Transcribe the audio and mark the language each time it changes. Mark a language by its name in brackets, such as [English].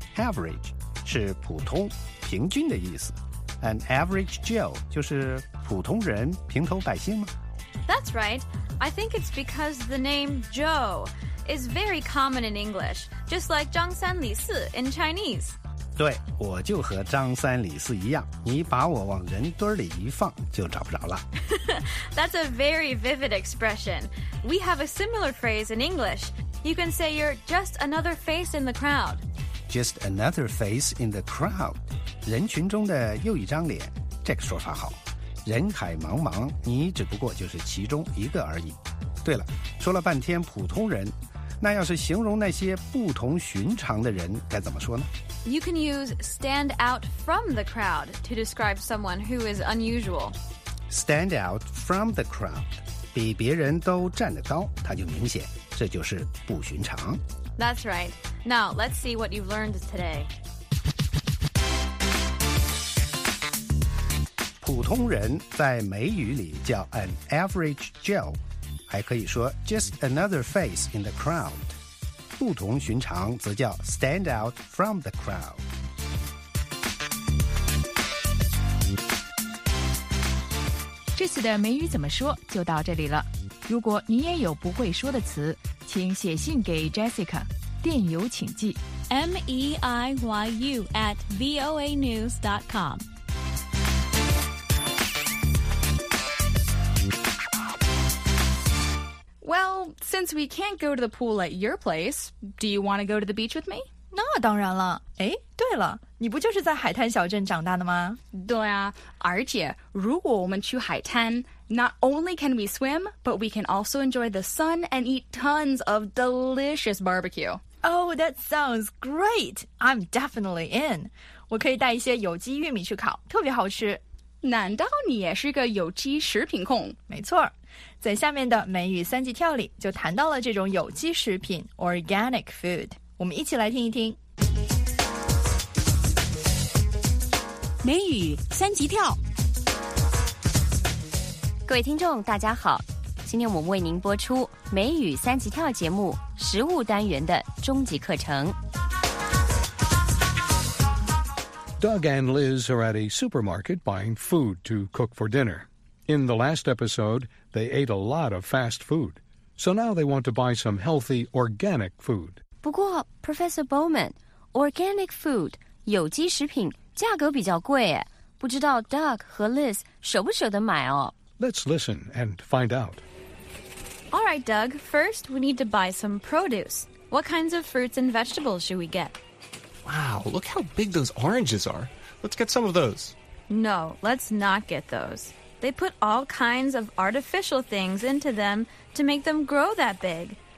[Chinese] Average 是普通、平均的意思。 [English] An average Joe [Chinese] 就是普通人、平头百姓吗 [English] ?That's right. I think it's because the name Joe is very common in English, just like 张三李四 in Chinese. [Chinese] 对，我就和张三李四一样，你把我往人堆里一放，就找不着了。 [English] That's a very vivid expression. We have a similar phrase in English. You can say you're just another face in the crowd. Just another face in the crowd. [Chinese] 人群中的又一张脸，这个说法好。人海茫茫，你只不过就是其中一个而已。对了，说了半天普通人，那要是形容那些不同寻常的人，该怎么说呢？ [English] You can use stand out from the crowd to describe someone who is unusual. Stand out from the crowd. [Chinese] 比别人都站得高，他就明显，这就是不寻常。 [English] That's right. Now, let's see what you've learned today. [Chinese] 普通人在美语里叫 [English] an average Joe, [Chinese] 还可以说 [English] just another face in the crowd. [Chinese] 不同寻常则叫 [English] stand out from the crowd。 [Chinese] 这次的美语怎么说就到这里了。如果你也有不会说的词，请写信给 Jessica， 电邮请寄 [English] meiyu@voanews.com。 Well, since we can't go to the pool at your place, do you want to go to the beach with me? [Chinese] 那当然了。哎，对了，你不就是在海滩小镇长大的吗？对啊，而且如果我们去海滩， [English] not only can we swim, but we can also enjoy the sun and eat tons of delicious barbecue. Oh, that sounds great. I'm definitely in. [Chinese] 我可以带一些有机玉米去烤，特别好吃。难道你也是个有机食品控？没错。在下面的美语三级跳里就谈到了这种有机食品 organic food， 我们一起来听一听美语三级跳。各位听众大家好，今天我们为您播出美语三级跳节目食物单元的终极课程。 [English] Doug and Liz are at a supermarket buying food to cook for dinner. In the last episode,They ate a lot of fast food, so now they want to buy some healthy organic food. [Chinese] 不过 Professor Bowman, organic food, 有机食品价格比较贵耶，不知道 Doug 和 Liz 舍不舍得买哦。 [English] Let's listen and find out. All right, Doug, first we need to buy some produce. What kinds of fruits and vegetables should we get? Wow, look how big those oranges are. Let's get some of those. No, let's not get those. They put all kinds of artificial things into them to make them grow that big.